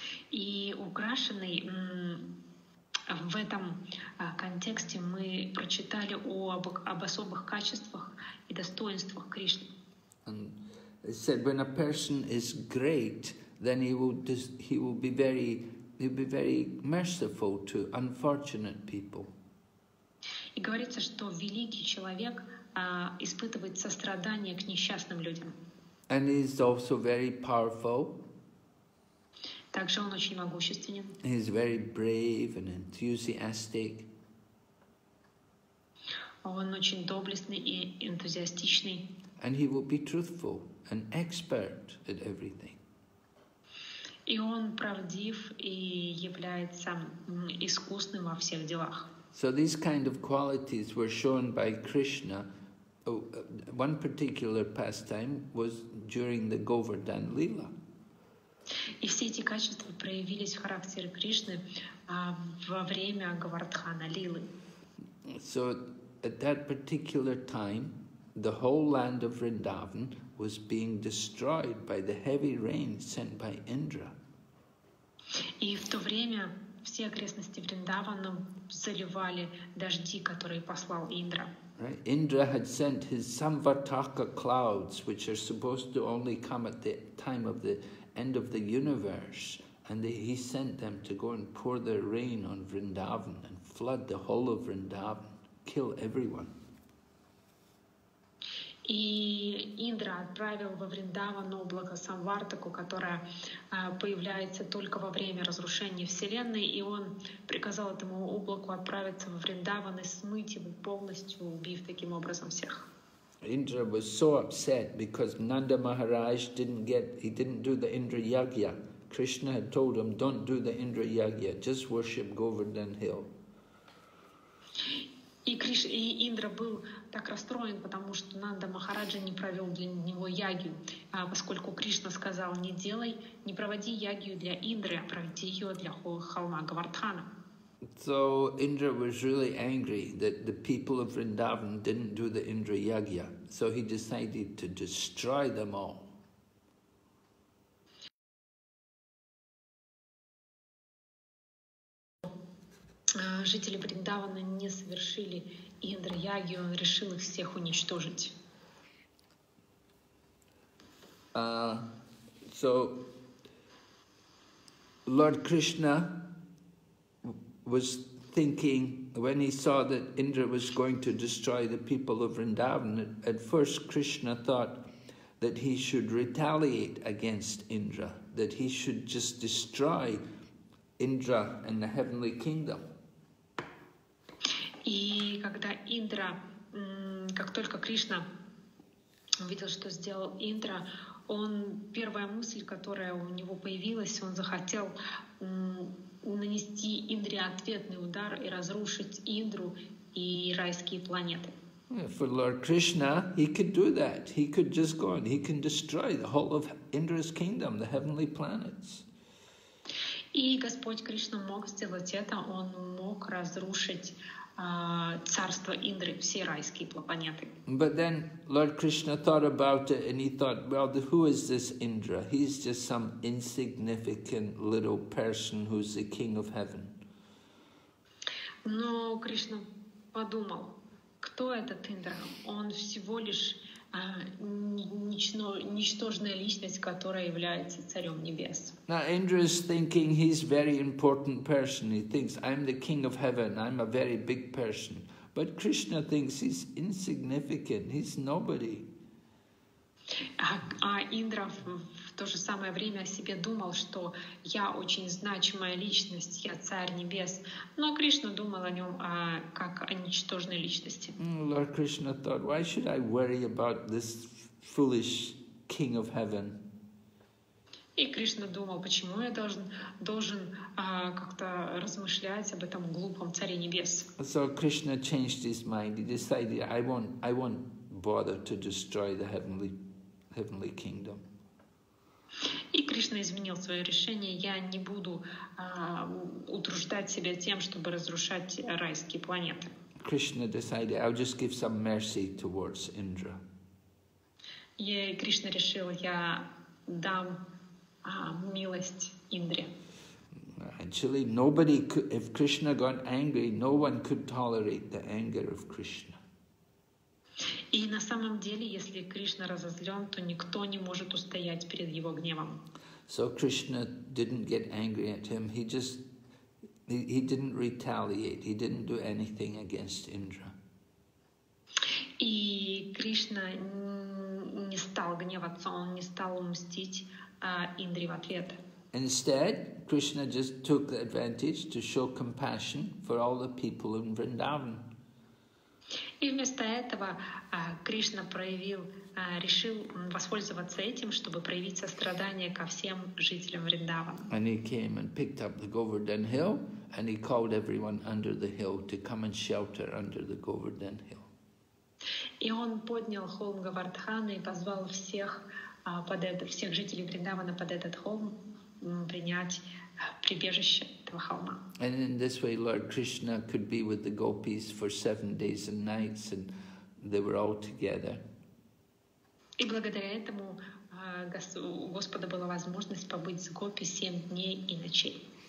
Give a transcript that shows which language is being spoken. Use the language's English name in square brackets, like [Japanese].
[Russian] И украшенный в этом контексте мы прочитали об особых качествах и достоинствах Кришны. [English] And it said when a person is great, then he will be very merciful to unfortunate people. [Russian] И говорится, что великий человек испытывает сострадание к несчастным людям. [English] And he is also very powerful. [Russian] Также он очень могущественен. [English] He is very brave and enthusiastic. [Russian] Он очень доблестный и энтузиастичный. [English] And he will be truthful and expert at everything. [Russian] И он правдив и является искусным во всех делах. [English] So these kind of qualities were shown by Krishna. One particular pastime was during the Govardhan Lila. [Russian] И все эти качества проявились в характере Кришны во время Говардхана Лилы. [English] So at that particular time, the whole land of Vrindavan was being destroyed by the heavy rain sent by Indra. [Russian] И в то время все окрестности Вриндавана заливали дожди, которые послал Индра. [English] Right. Indra had sent his Samvartaka clouds, which are supposed to only come at the time of the end of the universe, and he sent them to go and pour their rain on Vrindavan and flood the whole of Vrindavan, kill everyone. [Russian] И Индра отправил во Вриндаван облако Самвартаку, которое появляется только во время разрушения Вселенной, и он приказал этому облаку отправиться во Вриндаван и смыть его полностью, убив таким образом всех. [English] Индра was so upset because Нанда Махарадж didn't do the Индра Ягья. Кришна had told him, don't do the Индра Ягья, just worship Govardhan Hill. [Russian] И Индра был так расстроен, потому что Нанда Махараджа не провел для него ягью, поскольку Кришна сказал, не проводи ягью для Индры, а проведи ее для холма Говардхана. [English] So Indra was really angry that the people of Vrindavan didn't do the Indra Yagya. So he decided to destroy them all. [Russian] Жители Вриндавана не совершили Индра Ягью, он решил их всех уничтожить. [English] So Lord Krishna was thinking when he saw that Indra was going to destroy the people of Vrindavan, at first Krishna thought that he should retaliate against Indra, that he should just destroy Indra and the heavenly kingdom. [Russian] И когда Индра, как только Кришна увидел, что сделал Индра, он первая мысль, которая у него появилась, он захотел нанести Индре ответный удар и разрушить Индру и райские планеты. [English] For Lord Krishna, he could do that. He could just go and he can destroy the whole of Indra's kingdom, the heavenly planets. [Russian] И Господь Кришна мог сделать это. Он мог разрушить царство Индры, все райские планеты. [English] But then Lord Krishna thought about it and he thought, well, who is this Indra? He's just some insignificant little person who's the king of heaven. [Russian] Но Кришна подумал, кто этот Индра? Он всего лишь ничтожная личность, которая является царем небес. [English] Now Indra is thinking he's a very important person. He thinks I'm the king of heaven. I'm a very big person. But Krishna thinks he's insignificant. He's nobody. [Russian] А Индра в то же самое время о себе думал, что я очень значимая личность, я царь небес. Но Кришна думал о нем как о ничтожной личности. [English] Lord Krishna thought, why should I worry about this foolish king of heaven? [Russian] И Кришна думал, почему я должен как-то размышлять об этом глупом царе небес. [English] So Krishna changed his mind. He decided, I won't bother to destroy the heavenly kingdom. [Russian] И Кришна изменил свое решение. Я не буду утруждать себя тем, чтобы разрушать райские планеты. [English] Krishna decided, I'll just give some mercy towards Indra. [Russian] И Кришна решил, я дам милость Индре. [English] Actually, nobody could, if Krishna got angry, no one could tolerate the anger of Krishna. [Russian] И на самом деле, если Кришна разозлен, то никто не может устоять перед его гневом. [English] So Krishna didn't get angry at him. He didn't retaliate. He didn't do anything against Indra. [Russian] И Кришна не стал гневаться. Он не стал мстить Индре в ответ. [English] Instead, Krishna just took the advantage to show compassion for all the people in Vrindavan. [Russian] И вместо этого Кришна решил воспользоваться этим, чтобы проявить сострадание ко всем жителям Вриндавана. [English] And he came and picked up the Govardhan hill, and he called everyone under the hill to come and shelter under the Govardhan hill. [Russian] И он поднял холм Говардхана и позвал всех жителей Вриндавана под этот холм принять прибежище. [English] And in this way, Lord Krishna could be with the gopis for 7 days and nights, and they were all together. [Russian] И благодаря этому у Господа была возможность побыть с гопи 7 дней и ночей.